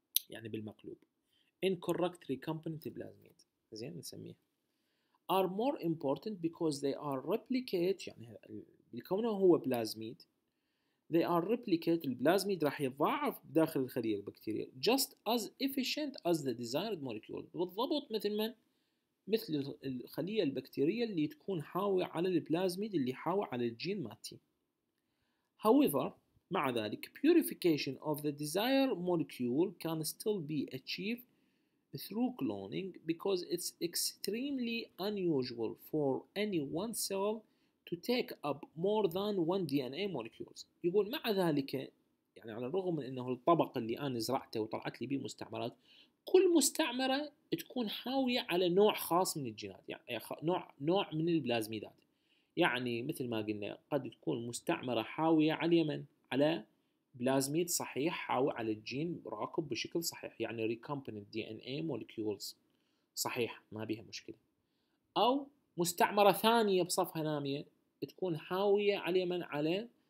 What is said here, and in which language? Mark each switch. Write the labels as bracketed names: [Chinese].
[Arabic] يعني بالمقلوب incorrect recombinant plasmid، زين نسميه، [English] are more important because they are replicate، [Arabic] يعني بكونه هو بلازميد، [English] they are replicate، [Arabic] البلازميد راح يضاعف داخل الخلية البكتيرية [English] just as efficient as the desired molecule، [Arabic] بالضبط مثل من؟ مثل الخلية البكتيرية اللي تكون حاوي على البلازميد اللي حاوي على الجين ماتي. [English] However، [Arabic] مع ذلك [English] purification of the desired molecule can still be achieved through cloning because it's extremely unusual for any one cell to take up more than one DNA molecules. [Arabic] يقول مع ذلك، يعني على الرغم من انه الطبق اللي انا زرعته وطلعت لي به مستعمرات، كل مستعمرة تكون حاوية على نوع خاص من الجينات، يعني نوع من البلازميدات، يعني مثل ما قلنا قد تكون مستعمرة حاوية على اليمن على بلازميد صحيح حاوي على الجين راكب بشكل صحيح، يعني recombinant DNA molecules صحيح ما بيها مشكلة، أو مستعمرة ثانية بصفها نامية تكون حاوية على اليمن على